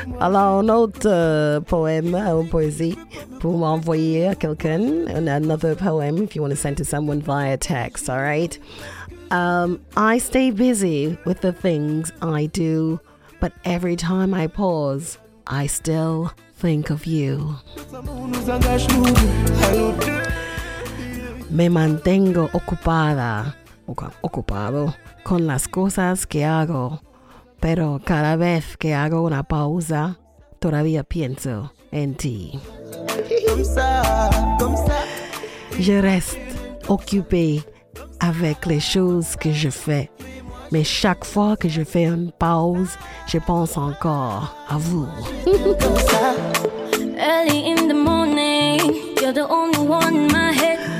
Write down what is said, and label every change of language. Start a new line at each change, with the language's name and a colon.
French: Alors, un autre poème, une poésie pour m'envoyer à quelqu'un.
English: And another poem if you want to send to someone via text, all right? I stay busy with the things I do, but every time I pause, I still think of you.
Spanish: Me mantengo ocupada, ocupado, con las cosas que hago. Pero cada vez que hago una pausa, todavía pienso en ti.
French: Je reste occupé avec les choses que je fais. Mais chaque fois que je fais une pause, je pense encore à vous.
English: Early in the morning, you're the only one in my head.